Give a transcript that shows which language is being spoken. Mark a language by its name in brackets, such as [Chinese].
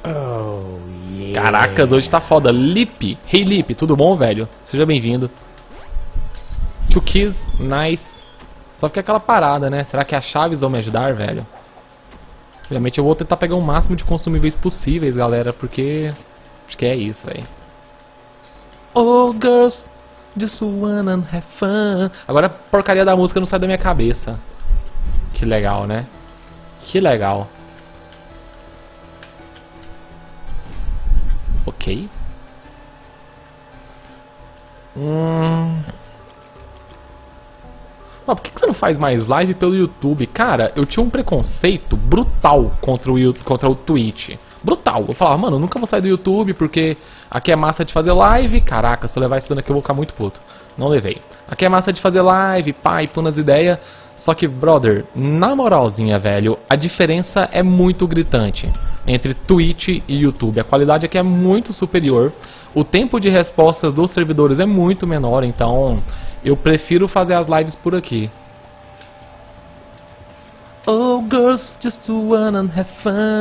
[English] Oh, yeah. [Portuguese] Caracas, hoje tá foda. Lip. Hey, Lip. Tudo bom, velho? Seja bem-vindo. [English] Two Keys. Nice. [Portuguese] Só fica aquela parada, né? Será que as chaves vão me ajudar, velho? Obviamente eu vou tentar pegar o máximo de consumíveis possíveis, galera. Porque é isso, velho. [English] Oh, girls, just wanna have fun. [Portuguese] Agora a porcaria da música não sai da minha cabeça. Que legal, né? Que legal. Ok. Mas por que você não faz mais live pelo YouTube? Cara, eu tinha um preconceito brutal contra o Twitch. Brutal. Eu falava, mano, eu nunca vou sair do YouTube porque aqui é massa de fazer live. Caraca, se eu levar esse dano aqui, eu vou ficar muito puto. Não levei. Aqui é massa de fazer live, pá, e pô nas ideias. Só que, brother, na moralzinha, velho, a diferença é muito gritante entre Twitch e YouTube. A qualidade aqui é muito superior. O tempo de resposta dos servidores é muito menor, então eu prefiro fazer as lives por aqui. [English] Oh, girls, just wanna have fun.